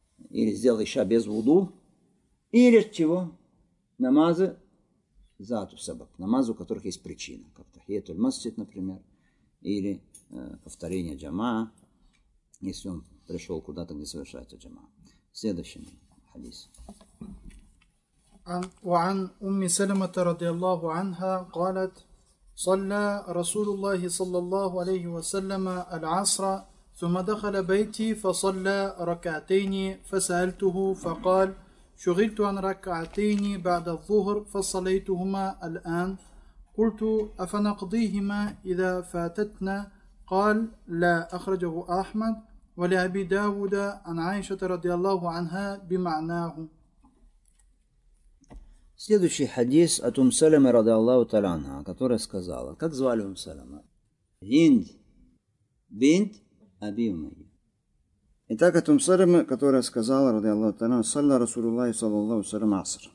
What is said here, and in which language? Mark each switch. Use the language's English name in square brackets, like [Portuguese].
[Russian] Или сделал иша без вуду, или чего? Намазы зату сабаб, намазы, у которых есть причина, как тахиятуль масджид, например, или повторение джама, если он пришел куда-то, где совершается джама. Следующий хадис. [Arabic] وعن أم سلمة رضي الله عنها قالت صلى رسول الله صلى الله عليه وسلم العصر ثم دخل بيتي فصلى ركعتين فسألته فقال شغلت عن ركعتين بعد الظهر فصليتهما الآن قلت أفنقضيهما إذا فاتتنا قال لا أخرجه أحمد ولأبي داود عن عائشة رضي الله عنها بمعناه. [Russian] Следующий хадис от Ум Салема ради Аллаху Таляна, которая сказала, как звали Ум Салема? Хинд бинт Аби Умайя. Итак, от Ум Салема, которая сказала ради Аллаху Таляна, [Arabic] салля Расулуллахи саллаллаху салям аср.